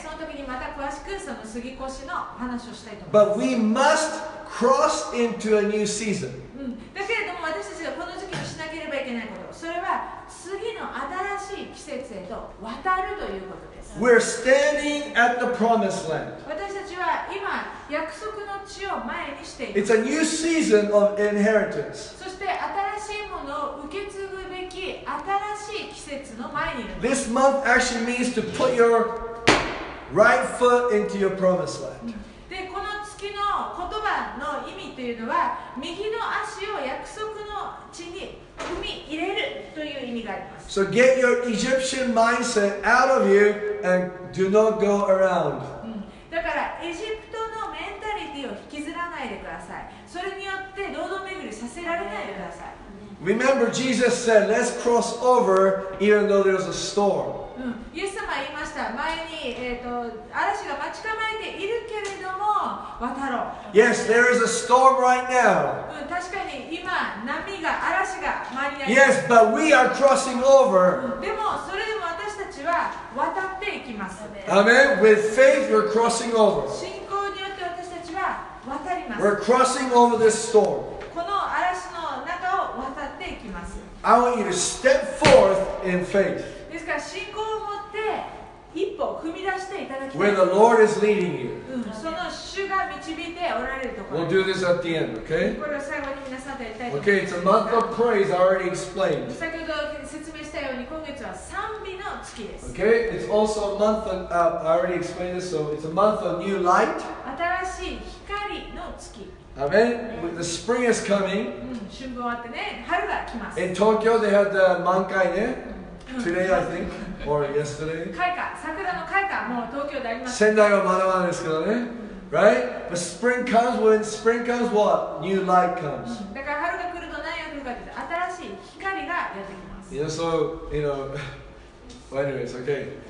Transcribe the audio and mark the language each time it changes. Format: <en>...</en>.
<ja>その時にまた詳しくその過ぎ越しの話をしたいと思います。</ja> <en>But we must cross into a new season.</en> <ja>だけれども私たちがこの時期にしなければいけないこと、それは次の新しい季節へと渡るということです。</ja> <en>We're standing at the promised land.</en> <ja>私たちは今約束の地を前にしています。</ja> <en>It's a new season of inheritance.</en> <ja>そして新しいものを受け継ぐ新しい季節の前にいる。</ja> <en>This month actually means to put your right foot into your promised land.</en> <ja>で、この月の言葉の意味というのは、右の足を約束の地に踏み入れるという意味があります。</ja> <en>So get your Egyptian mindset out of you and do not go around.</en> <ja>だからエジプトのメンタリティを引きずらないでください。それによって堂々巡りさせられないでください。</ja> <en>Remember, Jesus said, let's cross over even though there's a storm.</en> <ja>イエス様は言いました。前に、嵐が待ち構えているけれども、渡ろう。</ja> <en>Yes, there is a storm right now.</en> <ja>確かに今、嵐が周りにあります。</ja> <en>Yes, but we are crossing over.</en> <ja>でも、それでも私たちは渡っていきます。</ja> <en>Amen? With faith, we're crossing over.</en> <ja>信仰によって私たちは渡ります。</ja> <en>We're crossing over this storm.</en> <ja>この嵐の中を渡っていきます。</ja> <en>I want you to step forth in faith.</en> <ja>ですから信仰を持って一歩踏み出していただきたい。</ja> <en>Where the Lord is leading you.</en> <ja>その主が導いておられるところ。</ja> <en>We'll do this at the end, okay?</en> <ja>これを最後に皆さんとやりたいと思います。</ja> <en>Okay, it's a month of praise, I already explained.</en> <ja>先ほど説明したように今月は賛美の月です。</ja> <en>Okay, it's also a month of, I already explained this, so it's a month of new light.</en> <ja>新しい光の月。</ja> <en>Amen. The spring is coming.</en> <ja>春分終わってね、春が来ます。</ja> <en>In Tokyo, they had the 満開ね。Today, I think, or yesterday.</en> <ja>開花、桜の開花、もう東京であります。仙台はまだまだですけどね。</ja> <en>Right? But spring comes when spring comes, what? New light comes.</en> <ja>だから春が来ると何が来るかというと、新しい光がやってきます。</ja> <en>You know, so, you know, well, anyways, okay.</en>